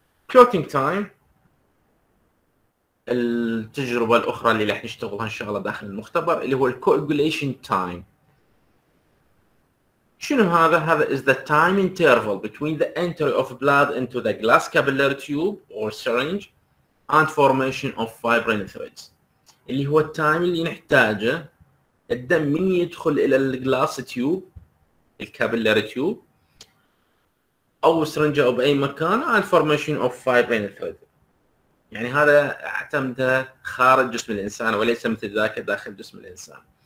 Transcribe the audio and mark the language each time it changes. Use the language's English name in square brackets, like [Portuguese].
[Arabic] كلوتينج تايم التجربه الاخرى اللي راح نشتغلها ان شاء الله داخل المختبر اللي هو الكوغوليشن تايم. شنو هذا؟ هذا [English] is the time interval between the entry of blood into the glass capillary tube or syringe and formation of fibrin threads. [Arabic] اللي هو التايم اللي نحتاجه الدم من يدخل الى الجلاس تيوب الكابيلاري تيوب او سرنجة او باي مكان [English] and formation of fibrin threads. [Arabic] يعني هذا اعتمده خارج جسم الانسان وليس مثل ذاك داخل جسم الانسان.